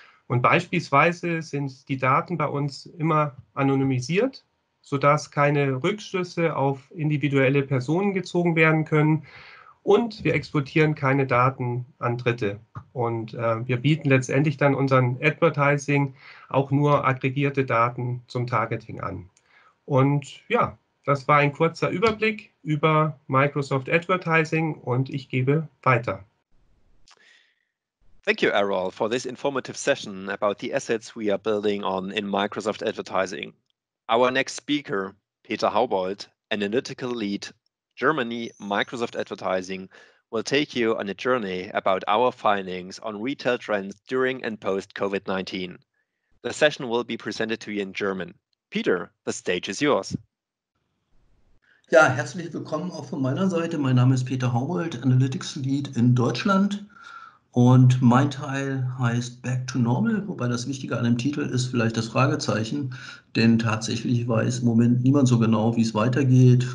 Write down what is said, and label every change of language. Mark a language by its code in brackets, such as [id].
[de] Und beispielsweise sind die Daten bei uns immer anonymisiert, sodass keine Rückschlüsse auf individuelle Personen gezogen werden können und wir exportieren keine Daten an Dritte. Und wir bieten letztendlich dann unseren Advertising auch nur aggregierte Daten zum Targeting an. Und ja, das war ein kurzer Überblick über Microsoft Advertising und ich gebe weiter. [en] Thank you, Errol, for this informative session about the assets we are building on in Microsoft Advertising. Our next speaker, Peter Haubold, an analytical lead, Germany Microsoft Advertising, will take you on a journey about our findings on retail trends during and post COVID-19. The session will be presented to you in German. Peter, the stage is yours. [de] Ja, herzlich willkommen auch von meiner Seite. Mein Name ist Peter Haubold, Analytics Lead in Deutschland. Und mein Teil heißt Back to Normal, wobei das Wichtige an dem Titel ist vielleicht das Fragezeichen. Denn tatsächlich weiß im Moment niemand so genau, wie es weitergeht.